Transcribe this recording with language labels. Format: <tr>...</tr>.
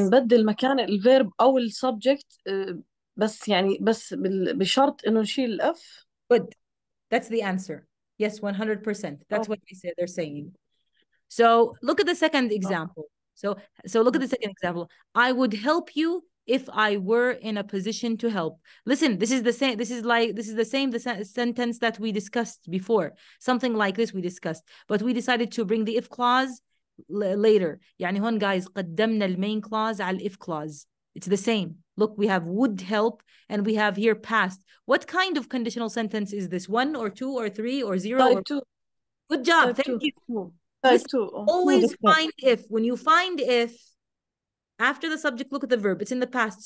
<ar>نبدل مكان الverb أو الsubject بس يعني بس بشرط إنه نشيل الf.</ar> <en>Good, that's the answer. Yes, 100%. That's what they say, they're saying. So look at the second example. So look at the second example. I would help you if I were in a position to help. Listen, this is the same. This is the same sentence that we discussed before. Something like this we discussed. But we decided to bring the if clause later.</en> <ar>يعني هون guys, قدمنا المين clause على الإف clause.</ar> <en>It's the same. Look, we have would help and we have here past. What kind of conditional sentence is this? 1 or 2 or 3 or 0? Type or... 2. Good job. Type Thank two. You. Type 2. Always find if. When you find if, after the subject, look at the verb. It's in the past.</en>